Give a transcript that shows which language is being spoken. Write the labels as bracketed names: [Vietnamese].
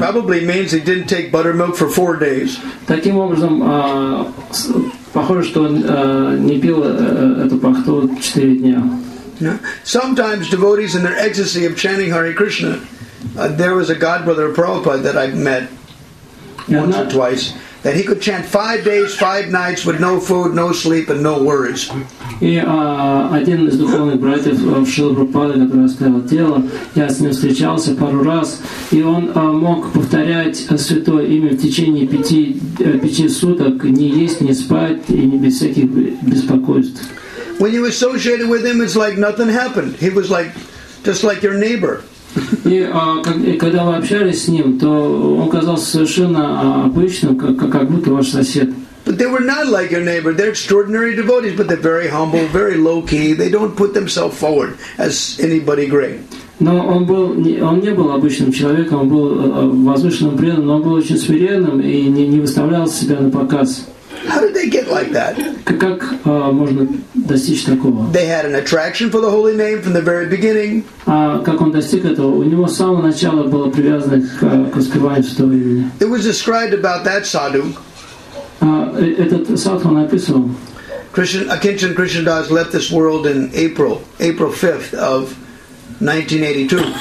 [English] This probably means he didn't take buttermilk for four days. [Russian] Таким образом, похоже, что он не пил эту пахту 4 дня. [English] Sometimes devotees in their ecstasy of chanting Hare Krishna, there was a godbrother of Prabhupada that I met once or twice, that he could chant 5 days, 5 nights with no food, no sleep, and no worries. [Russian] И один из духовных братьев в Шрила Прабхупаде, который оставил тело, я с ним встречался пару раз, и он мог повторять святое имя в течение пяти суток, не есть, не спать, и не без всяких беспокойств. [English] When you associated with him, it's like nothing happened. He was like, just like your neighbor. [Russian] И когда вы общались с ним, то он казался совершенно обычным, как будто ваш сосед. [English] But they were not like your neighbor. They're extraordinary devotees, but they're very humble, very low-key. They don't put themselves forward as anybody great. [Russian] Но он не был обычным человеком, он был возвышенным преданным, но он был очень смиренным и не выставлял себя на показ. [English] How did they get like that? [Russian] Как можно достичь такого? [English] They had an attraction for the holy name from the very beginning. [Russian] Как он достиг этого? У него с самого начала было привязано к воспеванию святого имени. [English] It was described about that sadhu. [Russian] этот садху написал. [English] Akinchan Krishnadas left this world in April 5th of 1982.